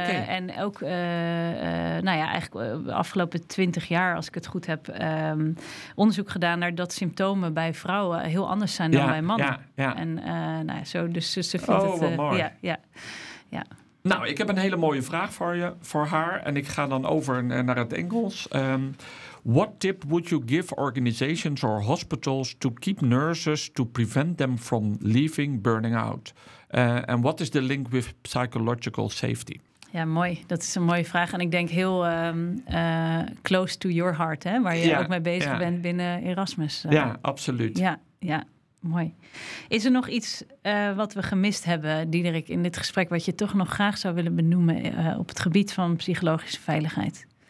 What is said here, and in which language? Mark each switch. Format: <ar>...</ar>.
<nl>En ook, eigenlijk de afgelopen 20 jaar, als ik het goed heb, onderzoek gedaan naar dat symptomen bij vrouwen heel anders zijn dan bij mannen. Ja. En ze vindt het mooi. Ja. Nou, ik heb een hele mooie vraag voor haar. En ik ga dan over naar het Engels.</nl> <en>What tip would you give organizations or hospitals to keep nurses to prevent them from leaving burning out? And what is the link with psychological safety?</en> <nl>Ja, mooi. Dat is een mooie vraag. En ik denk heel</nl> <en>close to your heart,</en> <nl>hè? Waar je ook mee bezig bent binnen Erasmus. Ja, absoluut. Ja. Mooi. Is er nog iets wat we gemist hebben, Diederik, in dit gesprek, wat je toch nog graag zou willen benoemen op het gebied van psychologische veiligheid?</nl>